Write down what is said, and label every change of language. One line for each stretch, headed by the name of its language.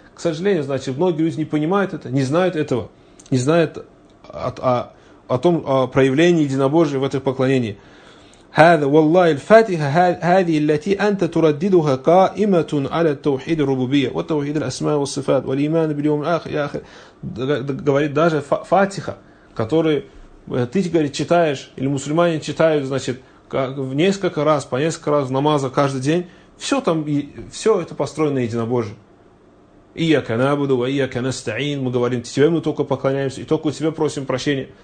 Russian: К сожалению, значит, многие люди не понимают это, не знают этого, не знает о том, о проявлении единобожия в этих поклонениях.
Arabic: هذا والله الفاتحة هذه التي أنت ترددها قائمة على التوحيد الربوبية والتوحيد الأسماء والصفات والإيمان باليوم الآخر.
Russian: Говорит, даже фатиха, которую ты, говорит, читаешь, или мусульмане читают, значит, несколько раз, по несколько раз в намазах каждый день, все там, все это построено единобожием.
Arabic: «Ияка набуду, ваияка настаин»,
Russian: мы говорим, тебе мы только поклоняемся, и только у тебя просим прощения.